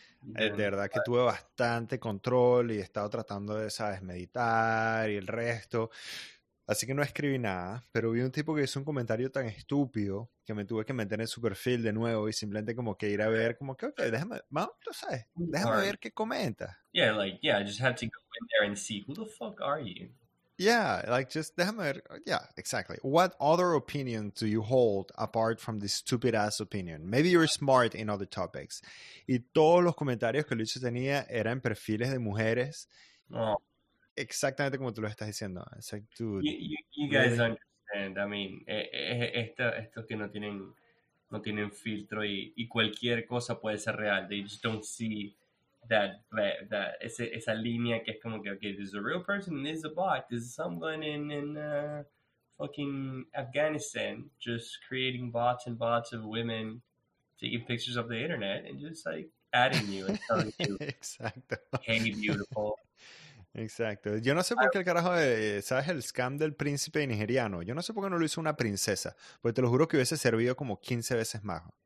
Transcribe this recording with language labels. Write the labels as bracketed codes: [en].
[es] De verdad que tuve bastante control y he estado tratando de, sabes, meditar y el resto. Así que no escribí nada, pero vi un tipo que hizo un comentario tan estúpido que me tuve que meter en su perfil de nuevo y simplemente como que ir a ver, como que, ok, déjame, vamos, tú sabes, déjame ver qué comenta. [en] Yeah, like, yeah, I just had to go in there and see, who the fuck are you? Yeah, like, just [es] déjame ver, [en] yeah, exactly. What other opinion do you hold apart from this stupid-ass opinion? Maybe you're smart in other topics. [es] Y todos los comentarios que Lucho tenía eran perfiles de mujeres. Oh. Exactamente como tú lo estás diciendo. [en] It's like, dude, you guys really understand. I mean, [es] estos que no tienen filtro y cualquier cosa puede ser real. [en] They just don't see [es] esa línea que es como que, [en] okay, this is a real person and this is a bot. This is someone in fucking Afghanistan just creating bots and bots of women taking pictures of the internet and just like adding you and telling you, [es] exacto, [en] hey, beautiful. [es] Exacto. Yo no sé por qué el carajo, ¿sabes? El scam del príncipe nigeriano. Yo no sé por qué no lo hizo una princesa. Porque te lo juro que hubiese servido como 15 veces más.